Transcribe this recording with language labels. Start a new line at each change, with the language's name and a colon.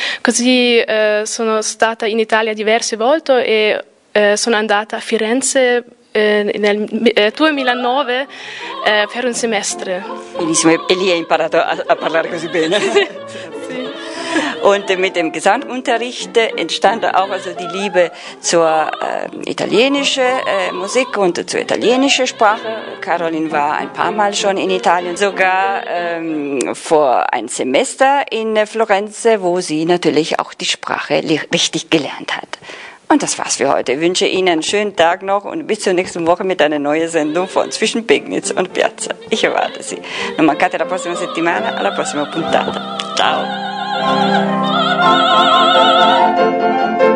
Italian: Così sono stata in Italia diverse volte e sono andata a Firenze nel 2009 per un semestre. Benissimo, e lì hai imparato a parlare così bene. Sì.
German: Und mit dem Gesangunterricht entstand auch also die Liebe zur italienischen Musik und zur italienischen Sprache. Caroline war ein paar Mal schon in Italien, sogar vor ein Semester in Florenz, wo sie natürlich auch die Sprache richtig gelernt hat. Und das war's für heute. Ich wünsche Ihnen einen schönen Tag noch und bis zur nächsten Woche mit einer neuen Sendung von Zwischen Pegnitz und Piazza. Ich erwarte Sie.
Italian: Non mancate la prossima settimana, alla prossima puntata. Ciao.